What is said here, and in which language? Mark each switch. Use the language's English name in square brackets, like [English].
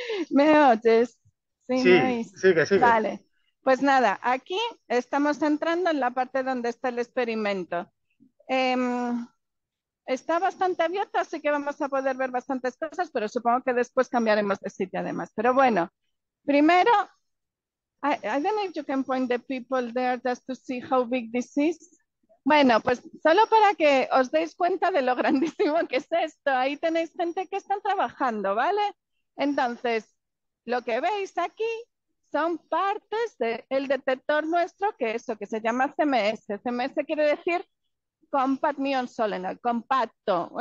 [Spanish] ¿Me oyes? Sí, me Sí, oís. sigue, sigue. Vale, pues nada, aquí estamos entrando en la parte donde está el experimento. Está bastante abierto, así que vamos a poder ver bastantes cosas, pero supongo que después cambiaremos de sitio además. Pero bueno, primero, [English] I don't know if you can point the people there just to see how big this is. [Spanish] Bueno, pues solo para que os deis cuenta de lo grandísimo que es esto. Ahí tenéis gente que están trabajando, ¿vale? Entonces, lo que veis aquí son partes del detector nuestro, que es lo que se llama CMS. CMS quiere decir Compact Muon Solenoid, compacto.